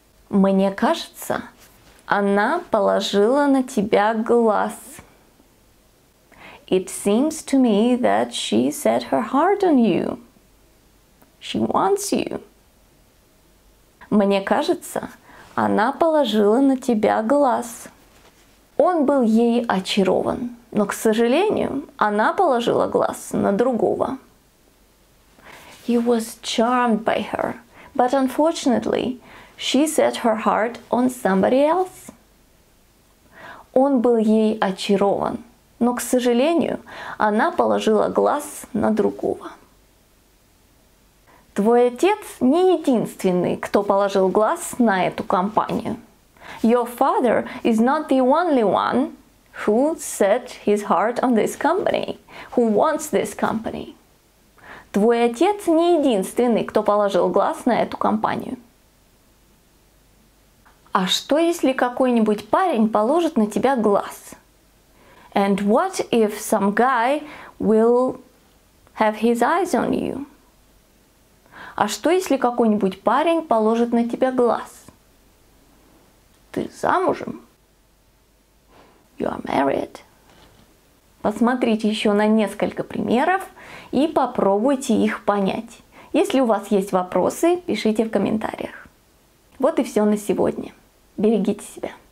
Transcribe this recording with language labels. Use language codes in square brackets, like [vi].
[ru] Мне кажется, она положила на тебя глаз. [en] It seems to me that she set her heart on you. She wants you. [ru] Мне кажется, она положила на тебя глаз. Он был ей очарован, но, к сожалению, она положила глаз на другого. [en] He was charmed by her, but unfortunately, she set her heart on somebody else. [ru] Он был ей очарован. Но, к сожалению, она положила глаз на другого. Твой отец не единственный, кто положил глаз на эту компанию. [en] Your father is not the only one who set his heart on this company, who wants this company. [ru] Твой отец не единственный, кто положил глаз на эту компанию. А что, если какой-нибудь парень положит на тебя глаз? [en] And what if some guy will have his eyes on you? [ru] А что, если какой-нибудь парень положит на тебя глаз? Ты замужем? [en] You are married. [ru] Посмотрите еще на несколько примеров и попробуйте их понять. Если у вас есть вопросы, пишите в комментариях. Вот и все на сегодня. Берегите себя.